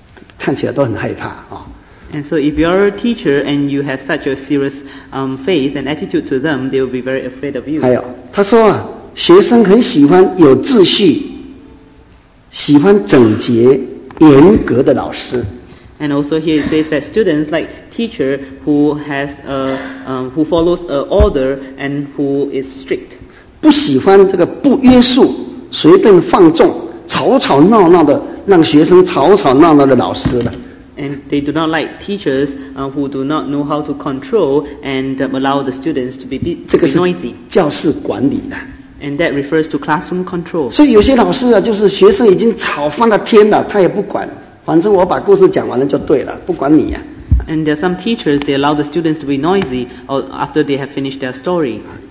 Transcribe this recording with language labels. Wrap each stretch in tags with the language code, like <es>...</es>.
<zh>当然你当老师的时候,我这么严肃刻板,好像我们中国的那个什么关公的脸,看起来都很害怕。And</zh> <en>so if you're a teacher and you have such a serious face and attitude to them, they will be very afraid of you.</en> <zh>还有,他说,学生很喜欢有秩序,喜欢整洁,严格的老师。</zh> <en>And also here it says that students like teacher who has a who follows a order and who is strict.</en> <zh>不喜欢这个不约束,随便放纵,吵吵闹闹的,让学生吵吵闹闹的老师的。</zh> <en>And they do not like teachers who do not know how to control and allow the students to be noisy.</en> <zh>这个是教室管理的。</zh> <en>And that refers to classroom control.</en> <zh>所以有些老师啊,就是学生已经吵翻了天了,他也不管。反正我把故事讲完了就对了,不管你啊。And</zh> <en>there are some teachers, they allow the students to be noisy after they have finished their story.</en>